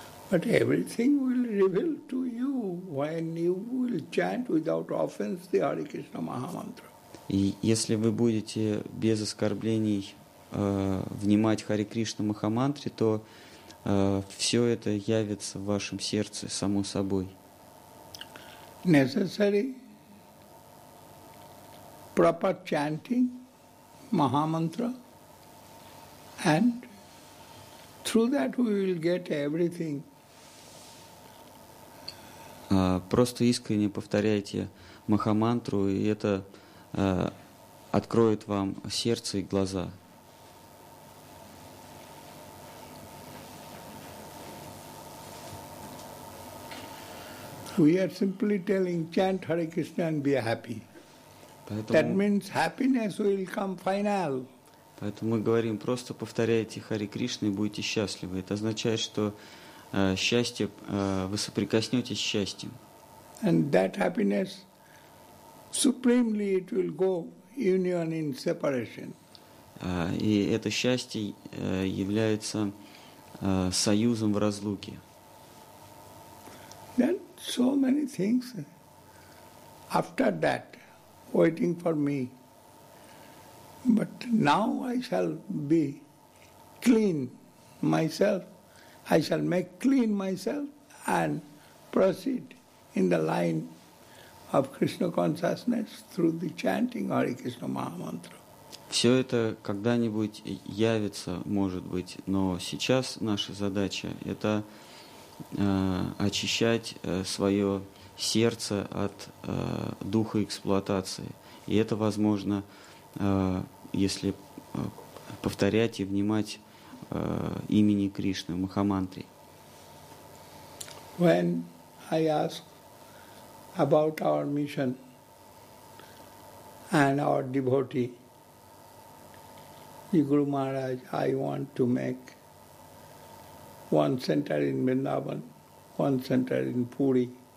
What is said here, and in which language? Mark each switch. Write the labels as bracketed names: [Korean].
[English] But everything will reveal to you when you will chant without offense the Hare Krishna Mahamantra. [Russian] И если вы будете без оскорблений внимать Хари Кришна Махамантре, то все это явится в вашем сердце само собой. [English] Necessary proper chanting Mahamantra, and through that we will get everything. [Russian] Просто искренне повторяйте Махамантру, и это откроет вам сердце и глаза. [English] We are simply telling, chant Hare Krishna and be happy. That means happiness will come final. [Russian] Поэтому мы говорим, просто повторяйте Хари Кришну и будете счастливы. Это означает, что счастье, вы соприкоснетесь с счастьем. [English] And that happiness, supremely it will go union in separation. [Russian] И это счастье является союзом в разлуке. [English] Then so many things after that waiting for me. But now I shall be clean myself. I shall make clean myself and proceed in the line of Krishna consciousness through the chanting Hare Krishna Mahamantra. [Russian] Все это когда-нибудь явится, может быть, но сейчас наша задача – это очищать свое сердце от духа эксплуатации. И это возможно, если повторять и внимать имени Кришны, Махамантри. [English] When I ask about our mission and our devotee, Guru Maharaj, I want to make one center in Vrindavan, one center in Puri.